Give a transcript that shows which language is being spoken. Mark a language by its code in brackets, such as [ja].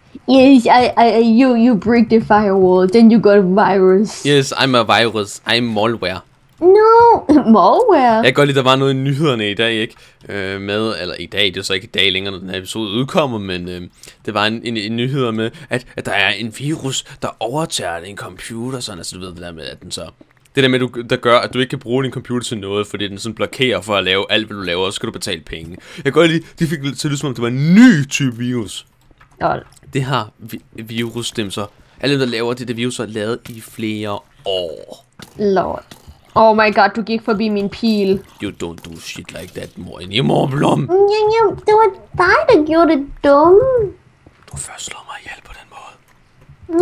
[en] Yes, you break the firewall, then you got a virus. Yes, I'm a virus. I'm malware. No, malware. [da] Jeg kan godt lide, der var noget i nyhederne i dag, ikke? Det er så ikke i dag længere, når den her episode udkommer, men det var en nyheder med, at der er en virus, der overtager en computer, sådan, altså du ved det der med, at den så... Det der med, der gør, at du ikke kan bruge din computer til noget, fordi den sådan blokerer for at lave alt, hvad du laver, og så skal du betale penge. Jeg kan godt lide, de fik til at lyde, som om det var en ny type virus. Jol. Det har virus, dem så... Alle dem, der laver det virus, har lavet i flere år. Lord. [en] Oh my god, [da] du gik forbi min pil. [en] You don't do shit like that more anymore, Blom. [da] Det var dig, der gjorde det dumme. Du først slår mig ihjel på den måde.